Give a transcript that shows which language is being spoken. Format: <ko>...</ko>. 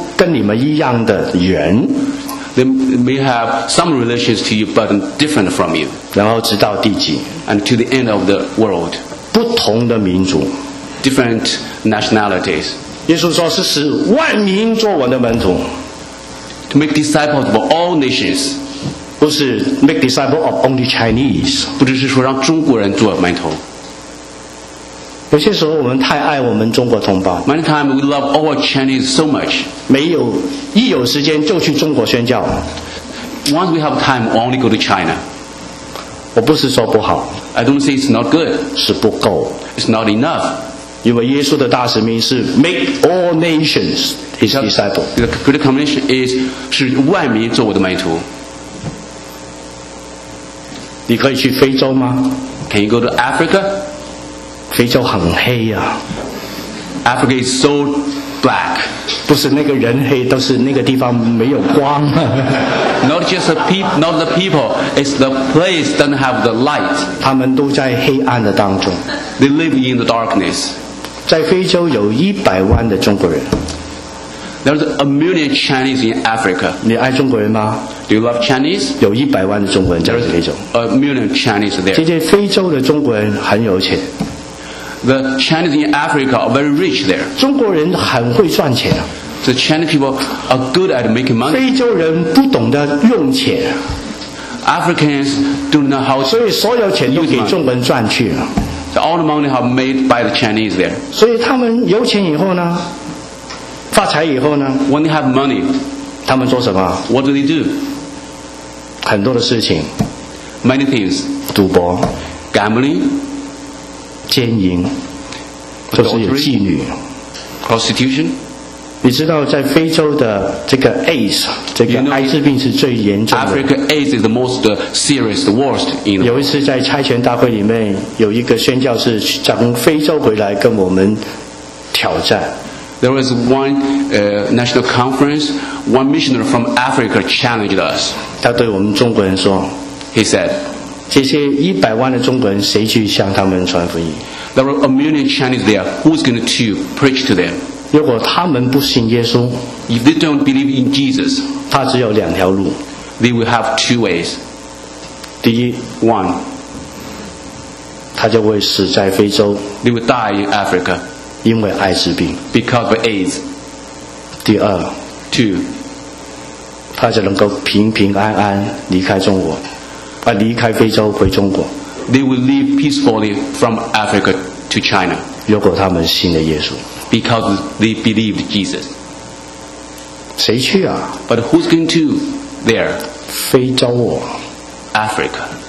<zh>有一点关系的，但是不跟你们一样的人。</zh> <en>They may have some relations to you, but different from you.</en> <zh>然后直到地极,</zh> <en>and to the end of the world.</en> <zh>不同的民族,</zh> <en>different nationalities.</en> <zh>耶稣说是使万民做我的门徒。</zh> <en>To make disciples of all nations.</en> <zh>不是</zh> <en>make disciples of only Chinese.</en> <zh>不只是说让中国人做门徒。有些时候我们太爱我们中国同胞。</zh> <en>Many times we love our Chinese so much.</en> <zh>没有，一有时间就去中国宣教。</zh> <en>Once we have time, we only go to China.</en> <zh>我不是说不好。</zh> <en>I don't say it's not good.</en> <zh>是不够。</zh> <en>It's not enough.</en> <zh>因为耶稣的大使命是</zh> <en>make all nations his disciple. The Great Commission is</en> <zh>是万民做我的门徒。你可以去非洲吗？</zh> <en>Can you go to Africa?</en> <zh>非洲很黑啊。</zh> <en>Africa is so black.</en> <zh>不是那个人黑，都是那个地方没有光。</zh> <en>Not just the people, not the people, it's the place doesn't have the light.</en> <zh>他们都在黑暗的当中。</zh> <en>They live in the darkness.</en> <zh>在非洲有一百万的中国人。</zh> <en>There's a million Chinese in Africa.</en> <zh>你爱中国人吗？</zh> <en>Do you love Chinese?</en> <zh>有一百万的中国人在非洲。</zh> <en>A million Chinese there.</en> <zh>这些非洲的中国人很有钱。</zh> <en>The Chinese in Africa are very rich there.</en> <zh>中国人很会赚钱。</zh> <en>The Chinese people are good at making money.</en> <zh>非洲人不懂得用钱。</zh> <en>Africans don't know how to use money.</en> <zh>所以所有钱都给中国人赚去了。</zh> <en>So all the money are made by the Chinese there.</en> <zh>所以他们有钱以后呢？发财以后呢？</zh> <en>When they have money,</en> <zh>他们做什么？</zh> <en>What do they do?</en> <zh>很多的事情。</zh> <en>Many things.</en> <zh>赌博。</zh> <en>Gambling.</en> <zh>奸淫，就是有妓女。</zh> <en>Prostitution，</en> <zh>你知道在非洲的这个 AIDS， 这个艾滋病是最严重的。</zh> <en>Africa AIDS is the most serious, the worst in.</en> <zh>有一次在差遣大会里面，有一个宣教士从非洲回来跟我们挑战。</zh> <en>There was one national conference. One missionary from Africa challenged us.</en> <zh>他对我们中国人说</zh> <en>，He said.</en> <zh>这些一百万的中国人，谁去向他们传福音</zh> <en>？There are a million Chinese there. Who's going to preach to them?</en> <zh>如果他们不信耶稣</zh> <en>，If they don't believe in Jesus,</en> <zh>他只有两条路。</zh> <en>They will have two ways.</en> <zh>第一</zh> <en>，one，</en> <zh>他就会死在非洲。</zh> <en>They will die in Africa.</en> <zh>因为艾滋病。</zh> <en>Because of AIDS.</en> <zh>第二</zh> <en>，two，</en> <zh>他就能够平平安安离开中国。离开非洲回中国</zh> <en>They will leave peacefully from Africa to China.</en> <zh>如果他们信了耶稣</zh> <en>Because they believed Jesus.</en> <zh>谁去啊</zh> <en>But who's going to there?</en> <zh>非洲哦</zh> <en>Africa.</en>